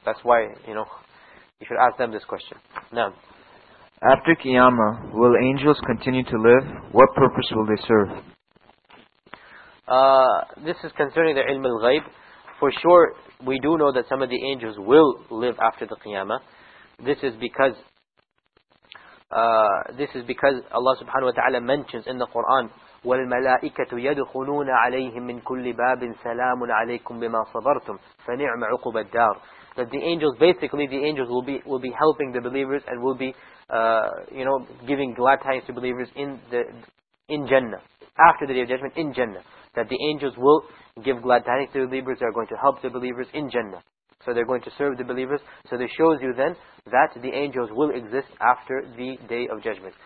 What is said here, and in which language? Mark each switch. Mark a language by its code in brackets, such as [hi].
[en] That's why, you know, you should ask them this question. Now, after Qiyamah, will angels continue to live? What purpose will they serve? This is concerning the ilm al-ghayb. For sure, we do know that some of the angels will live after the Qiyamah. This is because Allah subhanahu wa ta'ala mentions in the Quran, [ar] وَالْمَلَائِكَةُ يَدْخُلُونَ عَلَيْهِمْ مِنْ كُلِّ بَابٍ سَلَامٌ عَلَيْكُمْ بِمَا صَبَرْتُمْ فَنِعْمَ عُقُبَ الدَّارِ. [en] That the angels, basically the angels will be helping the believers and will be, you know, giving glad tidings to believers in Jannah, after the Day of Judgment, in Jannah. That the angels will give glad tidings to the believers, they are going to help the believers in Jannah. So they're going to serve the believers. So this shows you then that the angels will exist after the Day of Judgment.